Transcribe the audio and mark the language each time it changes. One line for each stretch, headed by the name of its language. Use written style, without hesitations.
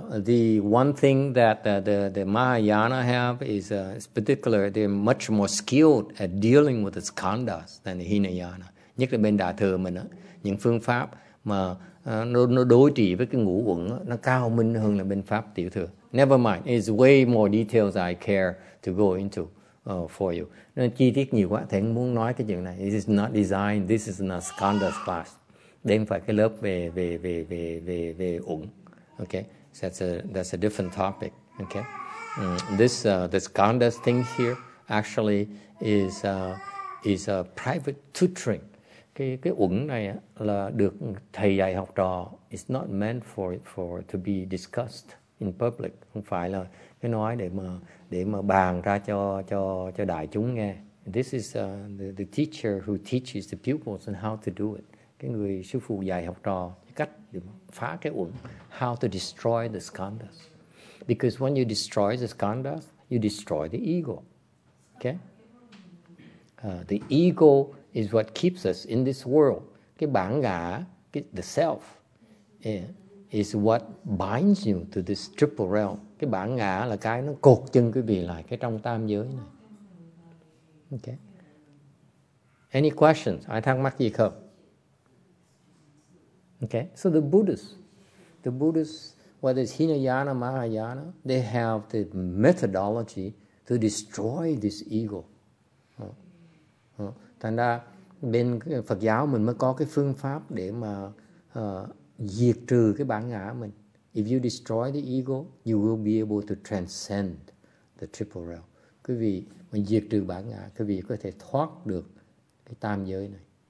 English: The one thing that the Mahayana have is particular, they're much more skilled at dealing with its khandhas than the Hinayana.
Vietnamese: Nhất là bên đại thừa mình, những phương pháp mà nó đối trị với cái ngũ uẩn nó cao minh hơn là bên pháp tiểu thừa.
English: Never mind, it's way more details I care to go into for you.
Vietnamese: Nên chi tiết nhiều quá, thầy muốn nói cái chuyện này.
English: This is not design, this is not skandhas class.
Vietnamese: Đem phải cái lớp về uẩn.
English: Okay, that's a different topic. Okay, this skandhas thing here actually is a private tutoring.
Vietnamese: Cái uẩn này là được thầy dạy học trò.
English: It's not meant for to be discussed in public.
Vietnamese: Không phải là cái nói để mà bàn ra cho đại chúng nghe.
English: This is the teacher who teaches the pupils on how to do it.
Vietnamese: Cái người sư phụ dạy học trò cách phá cái uẩn.
English: How to destroy the skandhas. Because when you destroy the skandhas, you destroy the ego. Okay? The ego is what keeps us in this world.
Vietnamese: Cái bản ngã,
English: the self, is what binds you to this triple realm.
Vietnamese: Cái bản ngã là cái nó cột chân quý vị lại cái trong tam giới này.
English: Okay. Any questions?
Vietnamese: Ai thắc mắc gì không?
English: Okay. So the Buddhists, whether it's Hinayana, Mahayana, they have the methodology to destroy this ego.
Vietnamese: Thành ra bên Phật giáo mình mới có cái phương pháp để mà diệt trừ cái bản ngã mình.
English: If you destroy the ego, you will be able to transcend the triple realm.
Vietnamese: Quý vị, mình diệt trừ bản ngã, quý vị có thể thoát được cái tam giới này.